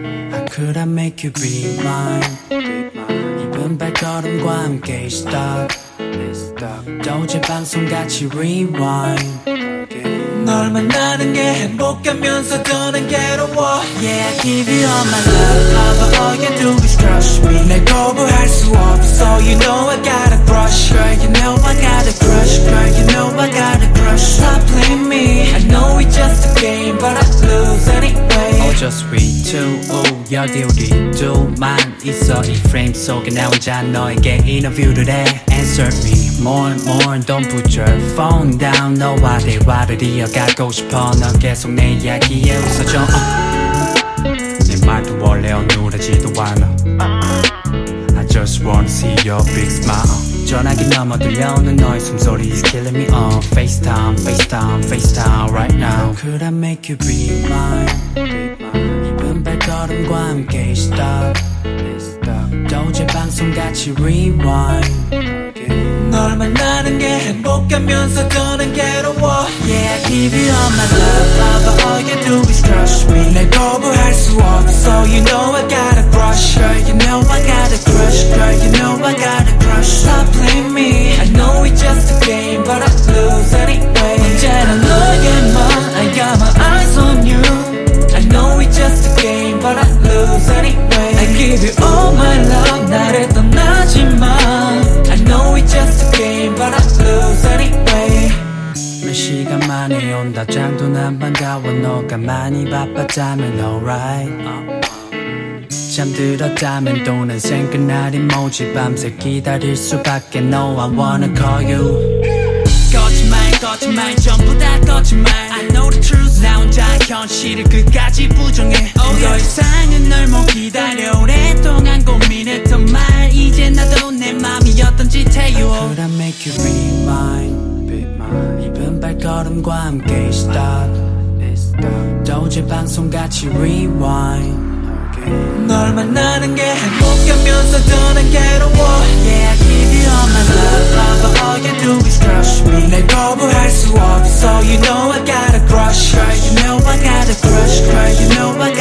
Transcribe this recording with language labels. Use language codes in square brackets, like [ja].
[en] How could I make you rewind? [ko] 이번 발걸음과 함께 stop. [en] Don't you [ko] 방송 같이 [en] rewind. [ko] 널 만나는 게 행복하면서 더는 괴로워. [en] Yeah, I give you all my love. However, all you do is crush me. [ko] 날 거부할 수 없어. [en] You know I got a crush. Girl, you know I got a crush. Girl, you know I got a crush. Stop playing me. I know it's just a game, but I lose anyway. Oh, just we two. [ko] Oh, 여기 우리 둘만 있어. 이 프레임 속에 나 혼자 너에게 인터뷰를 해. [en] Answer me more and more. Don't put your phone down. [ko] 너와 대화를 이어가고 싶어. 넌 계속 내 이야기에 웃어줘. 내 말도 원래 어눌하지도 않아. [en] I just wanna see your big smile. [ko] 전화기 넘어 들려오는 너의 숨소리 [en] is killing me all. FaceTime, FaceTime, FaceTime right now. Could I make you be mine? [ko] 이번 발걸음과 함께 stop. [en] Don't you [ko] 방송같이 [en] rewind. [ko] 널 만나는 게 행복하면서 더는 괴로워. [en] Yeah, I give you all my love. However, all you do is crush me. [ko] 날 거부할 수 없어. [en] You know I got a crush. Girl, you know I got a crush. Girl, you know I got a crush. Stop playing me. I know it's just a game, but I lose anyway. [ko] 언제나 너의 맘. [en] I got my eyes on you. I know it's just a game, but I lose anyway. I give you all my love. [ko] 나를 떠나지 마. [en] It's just a game, but I lose anyway. [ko] 몇 시간 만에 온다 잠도 난 반가워. 너가 많이 바빴다면 alright. 잠들었다면 또 난 생각나리 뭐지. 밤새 기다릴 수밖에. [en] No, I wanna call you. [ko] 거짓말 거짓말 전부 다 거짓말. [en] I know the truth. [ko] 나 혼자 현실을 끝까지 부정해. Oh, yeah. 더 이상은 널 못 기다려. 오랫동안 고민했던 말 이제 나도 내 맘이 어떤지 [en] tell you all. Could I make you be mine? [ko] 이번 발걸음과 함께 stop. [en] Don't you [ko] 방송같이 [en] rewind. [ko] 널 만나는 게 행복하면서 더는 괴로워. [en] Yeah, I give you all my love. However, all you do is crush me. [ko] 날 거부할 수 없어. [en] You know I got a crush. Girl, you know I got a crush. Girl, you know